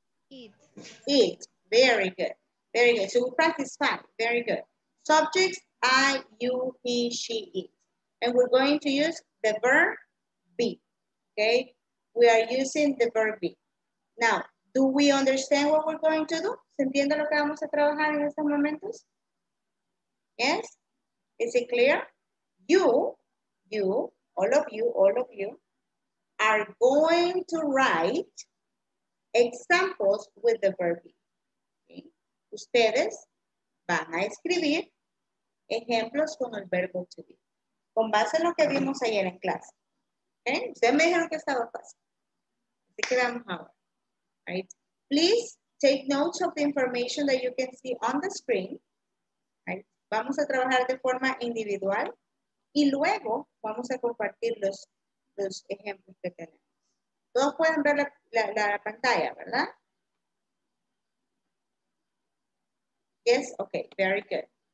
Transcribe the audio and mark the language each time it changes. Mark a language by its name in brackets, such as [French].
[English] it, very good, very good. So we practice five, very good. Subjects, I, you, he, she, it. And we're going to use the verb be, okay? We are using the verb be. Now, do we understand what we're going to do? [Spanish] ¿Se entiende lo que vamos a trabajar en estos momentos? [English] Yes? Is it clear? All of you, are going to write examples with the verb be. Okay? [Spanish] Ustedes van a escribir ejemplos con el verbo to be. Con base en lo que vimos ayer en clase. Okay? Ustedes me dijeron que estaba fácil. Así que vamos a ver. [English] Right. Please take notes of the information that you can see on the screen. Right? [Spanish] Vamos a trabajar de forma individual y luego vamos a compartir los ejemplos que tenemos. Todos pueden ver la pantalla, ¿verdad? [English] Yes, okay, very good.